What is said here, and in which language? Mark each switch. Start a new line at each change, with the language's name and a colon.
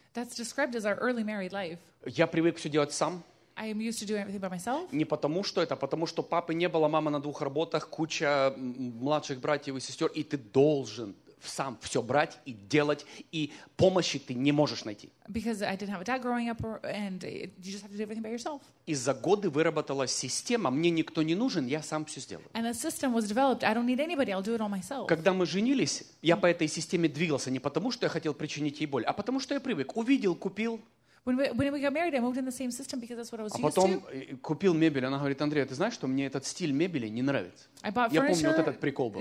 English: That's described as our early married life.
Russian: Я привык все делать сам.
English: I am used to doing everything by myself.
Russian: Не потому что это, а потому что папы не было, мама на двух работах, куча младших братьев и сестер, и ты должен сам все брать и делать, и помощи ты не можешь найти.
English: Because I didn't have a dad growing up, and you just have to do everything by yourself.
Russian: И за годы выработалась система, мне никто не нужен, я сам все сделаю.
English: And a system was developed, I don't need anybody, I'll do it all myself.
Russian: Когда мы женились, я по этой системе двигался не потому, что я хотел причинить ей боль, а потому, что я привык. Увидел, купил.
English: When we got married, I moved in the same system because that's what I was used to.
Russian: А потом купил мебель. Она говорит: Андрей, ты знаешь, что мне этот стиль мебели не нравится?
English: I bought furniture.
Russian: Я помню, вот этот прикол был.